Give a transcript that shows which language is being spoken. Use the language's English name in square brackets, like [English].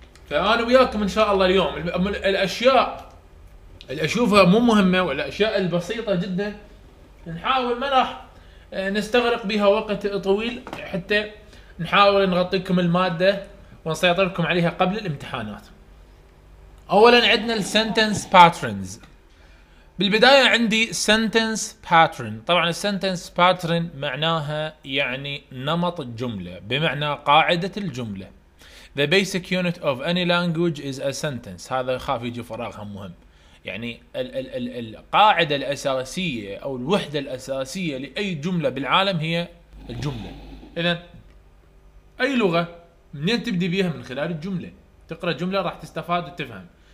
[Arabic] فأنا وياكم إن شاء الله اليوم الأشياء اللي أشوفها مو مهمة والأشياء البسيطة جدا نحاول ما راح نستغرق بها وقت طويل، حتى نحاول نغطيكم المادة ونسيطركم عليها قبل الامتحانات. أولا عندنا الـ Sentence Patterns. بالبداية عندي sentence pattern. طبعا sentence pattern معناها يعني نمط الجملة، بمعنى قاعدة الجملة. [English] The basic unit of any language is a sentence. [Arabic] هذا خاف يجي فراغها مهم، يعني القاعدة الأساسية أو الوحدة الأساسية لأي جملة بالعالم هي الجملة. إذا أي لغة منين تبدي بيها؟ من خلال الجملة، تقرأ جملة راح تستفاد وتفهم.